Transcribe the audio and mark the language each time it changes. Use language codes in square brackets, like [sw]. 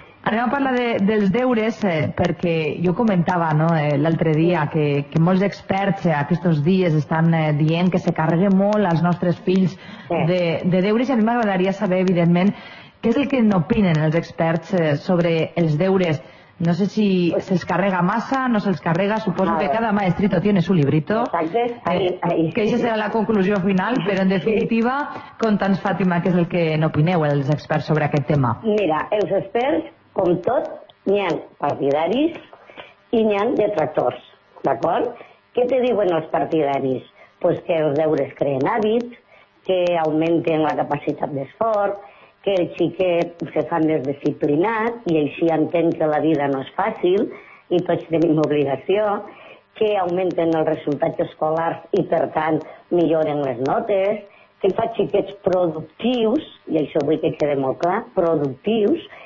[ca] Anem a parlar dels deures, perquè jo comentava, no, l'altre dia que molts experts aquests dies estan dient que se carreguen molt els nostres fills de deures, i a mi m'agradaria saber, evidentment, què és el que n'opinen els experts sobre els deures. No sé si se'ls carrega massa, no se'ls carrega, suposo que [es] cada maestrito tiene su librito. [ca] Exacte, ahí. Que això serà la conclusió final, però en definitiva, conta'ns, Fàtima, què és el que n'opineu els experts sobre aquest tema. Mira, els experts, com tot, n'hi ha partidaris i n'hi ha detractors, d'acord? Què te diuen els partidaris? Pues que els deures creen hàbits, que augmenten la capacitat d'esforç, que el xiquet se fa més disciplinat i així entén que la vida no és fàcil i tots tenim obligació, que augmenten els resultats escolars i, per tant, milloren les notes, que fa xiquets productius, i això vull que quede molt clar, productius,